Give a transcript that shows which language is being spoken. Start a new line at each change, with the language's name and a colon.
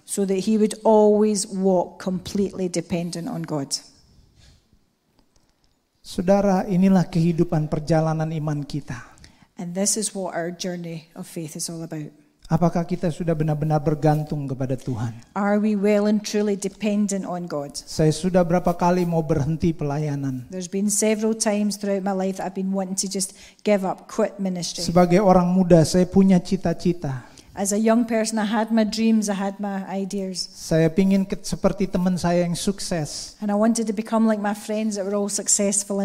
English: So that he would always walk completely dependent on God.
Indonesian: Saudara, inilah kehidupan perjalanan iman kita.
English: And this is what our journey of faith is all about.
Indonesian: Apakah kita sudah benar-benar bergantung kepada Tuhan?
English: Are we well and truly dependent on God?
Indonesian: Saya sudah berapa kali mau berhenti pelayanan.
English: There's been several times throughout my life that I've been wanting to just give up, quit ministry.
Indonesian: Sebagai orang muda, saya punya cita-cita.
English: As a young person, I had my dreams, I had my ideas.
Indonesian: Saya ingin seperti teman saya yang sukses.
English: And I wanted to become like my friends that were all successful in